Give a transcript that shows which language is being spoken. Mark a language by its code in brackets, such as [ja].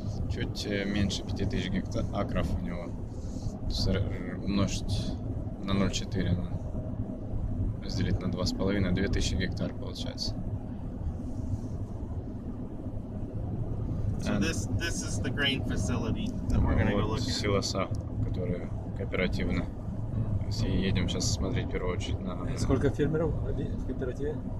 [ru] Чуть меньше 5000 акров у него. Умножить на 0,4, разделить на 2,5, 2000 гектар получается. [en] So this is the grain facility that we're going to go look at. [ru] Силоса, которые кооперативны. Едем сейчас смотреть в первую очередь на... Сколько фермеров в кооперативе?